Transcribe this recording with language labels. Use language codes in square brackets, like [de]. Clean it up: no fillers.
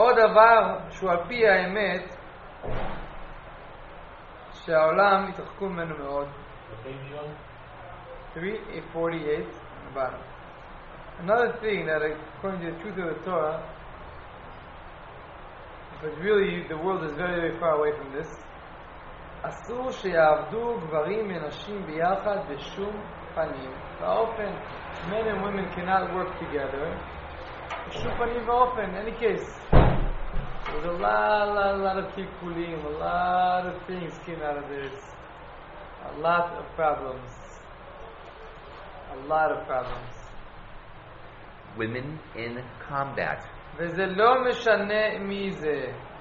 [he] דבר שהוא על פי האמת, שהעולם התרחקו ממנו מאוד. 3:48. [en] Another thing that according to the truth of the Torah, but really the world is very, very far away from this. [he] אסור שיעבדו גברים ונשים ביחד בשום פנים ואופן. [en] Men and women cannot work together. [he] בשום פנים ואופן, [en] any case. There's a lot of tikkulim, a lot of things came out of this. A lot of problems. A lot of problems. Women in combat. [he] וזה לא משנה מי זה.